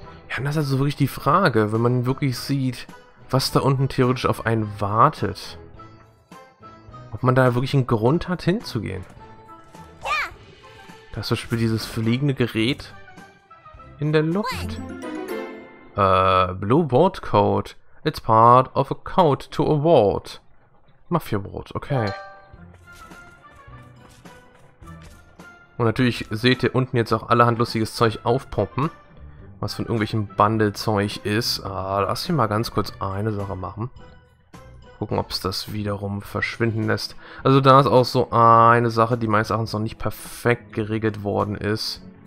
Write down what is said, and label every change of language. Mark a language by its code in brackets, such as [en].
[de] Ja, und das ist also wirklich die Frage, wenn man wirklich sieht, was da unten theoretisch auf einen wartet. Ob man da wirklich einen Grund hat, hinzugehen. Da ist zum Beispiel dieses fliegende Gerät. in der Luft. Blue Board Code. [en] It's part of a code to a ward. Mafia Ward, okay. [de] Und natürlich seht ihr unten jetzt auch allerhand lustiges Zeug aufpoppen. Was von irgendwelchem Bundle-Zeug ist. Lass mich mal ganz kurz eine Sache machen. Gucken, ob es das wiederum verschwinden lässt. Also da ist auch so eine Sache, die meines Erachtens noch nicht perfekt geregelt worden ist.